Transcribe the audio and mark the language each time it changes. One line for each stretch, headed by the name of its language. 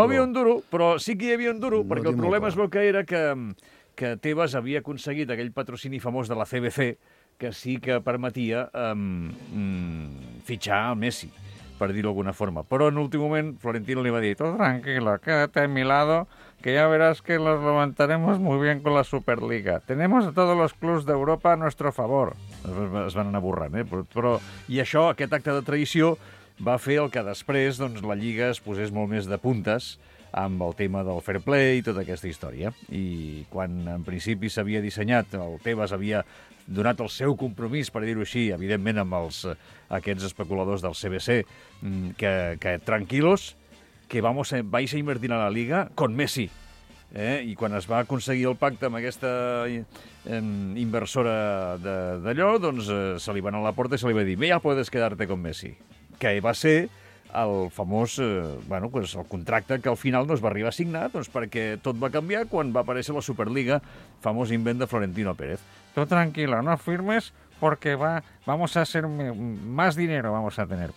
Catalan: No hi havia un duro, però sí que hi havia un duro, no perquè el problema es veu que era que Tebas havia aconseguit aquell patrocini famós de la CBC que sí que permetia fitxar el Messi, per dir-ho d'alguna forma. Però en l'últim moment, Florentino li va dir
Spanish: «Tot tranquilo, quédate a mi lado». que ya verás que los levantaremos muy bien con la Superliga. Tenemos a todos los clubs d'Europa a nuestro favor.
Catalan: Es van anar borrant, eh? Però, i això, aquest acte de traïció, va fer el que després doncs, la Lliga es posés molt més de puntes amb el tema del fair play i tota aquesta història. I quan en principi s'havia dissenyat, el Tebas havia donat el seu compromís, per dir-ho així, evidentment amb els, aquests especuladors del CBC, que
Spanish: tranquilos, que vais a invertir a la Liga con Messi.
Catalan: Eh? I quan es va aconseguir el pacte amb aquesta inversora d'allò, doncs se li va anar a la porta i se li va dir
Spanish: «Ja puedes quedarte con Messi»,
Catalan: que va ser el famós bueno, pues el contracte que al final no es va arribar a signar, doncs perquè tot va canviar quan va aparèixer la Superliga, famós invent de Florentino Pérez.
Spanish: Tú tranquilo, no firmes porque vamos a hacer más dinero, vamos a tener.